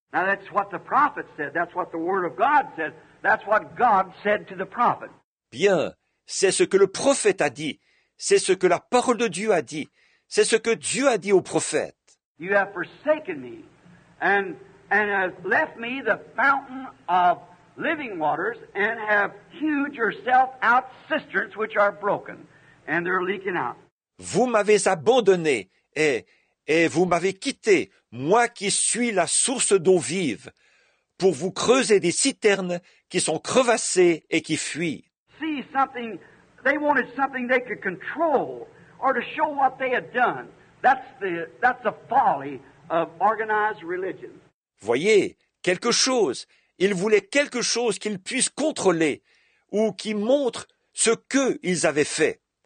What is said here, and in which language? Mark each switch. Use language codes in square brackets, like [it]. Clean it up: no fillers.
[en] Now that's what the prophet said. That's what the word of God said. That's what God said to the prophet. [fr] Bien. C'est ce que le prophète a dit. C'est ce que la parole de Dieu a dit. C'est ce que Dieu a dit au prophète. [en] You have forsaken me and have left me the fountain of living waters and have hewed yourself out cisterns which are broken and they're leaking out. [fr] Vous m'avez abandonné et vous m'avez quitté, moi qui suis la source d'eau vive, pour vous creuser des citernes qui sont crevassées et qui fuient. [en] See something, they wanted something they could control or to show what they had done. That's the folly of organized religion. [fr] Voyez, quelque chose, ils voulaient quelque chose qu'ils puissent contrôler ou qui montre ce qu'ils avaient fait.